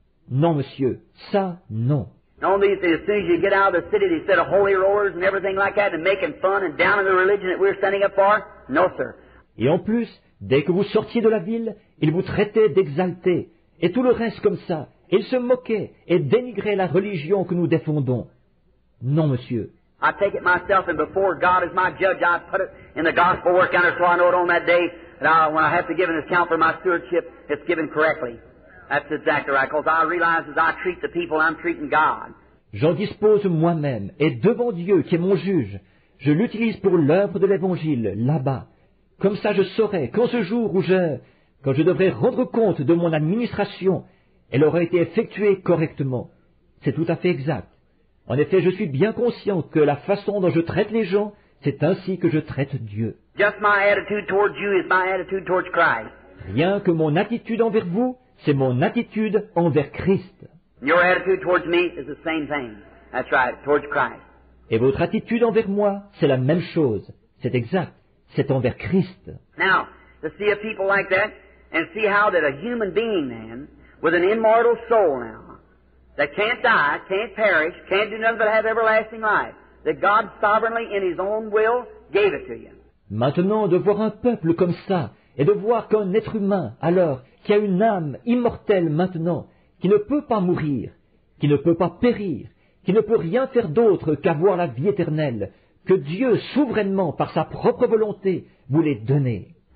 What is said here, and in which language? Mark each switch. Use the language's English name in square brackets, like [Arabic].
[French] Non, monsieur, ça, non. [English] Only as soon as you get out of the city, they set a holy rollers and everything like that, and making fun and down in the religion that we're standing up for. No, sir. [French] Et en plus, dès que vous sortiez de la ville, ils vous traitaient d'exalté et tout le reste comme ça. Ils se moquaient et dénigraient la religion que nous défendons. Non, monsieur. [English] I take it myself, and before God is my judge, I put it in the gospel work counter so I know it on that day that when I have to give an account for my stewardship, it's given correctly. That's exactly right, because I realize as I treat the people, I'm treating God. [French] J'en dispose moi-même, et devant Dieu, qui est mon juge, je l'utilise pour l'œuvre de l'Évangile, là-bas. Comme ça, je saurai qu'en ce jour où quand je devrais rendre compte de mon administration, elle aura été effectuée correctement. C'est tout à fait exact. En effet, je suis bien conscient que la façon dont je traite les gens, c'est ainsi que je traite Dieu. [English] Just my attitude towards you is my attitude towards Christ. [French] Rien que mon attitude envers vous, c'est mon attitude envers Christ. [English] Your attitude towards me is the same thing. That's right, towards Christ. [French] Et votre attitude envers moi, c'est la même chose. C'est exact. C'est envers Christ. [English] Now, to see a people like that, and see how that a human being, man, with an immortal soul now, that can't die, can't perish, can't do nothing but have everlasting life, that God sovereignly, in his own will, gave it to you. [French] Maintenant, de voir un peuple comme ça, et de voir qu'un être humain, alors, qui a une âme immortelle maintenant, qui ne peut pas mourir, qui ne peut pas périr, qui ne peut rien faire d'autre qu'avoir la vie éternelle, que Dieu, souverainement, par sa propre volonté, vous l'ait donné.